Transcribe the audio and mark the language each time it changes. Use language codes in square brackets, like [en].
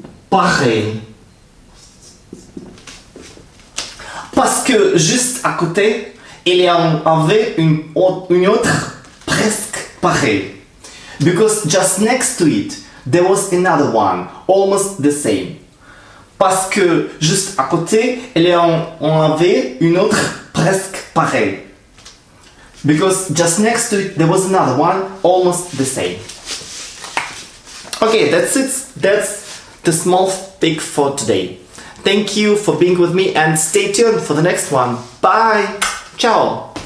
[fr] Pareil. Parce que juste à côté, il y avait une autre presque pareil. [en] Because just next to it, there was another one, almost the same. [fr] Parce que juste à côté, il y avait une autre presque pareil. [en] Because just next to it, there was another one, almost the same. Okay, that's it. That's the small pick for today. Thank you for being with me and stay tuned for the next one. Bye! Ciao!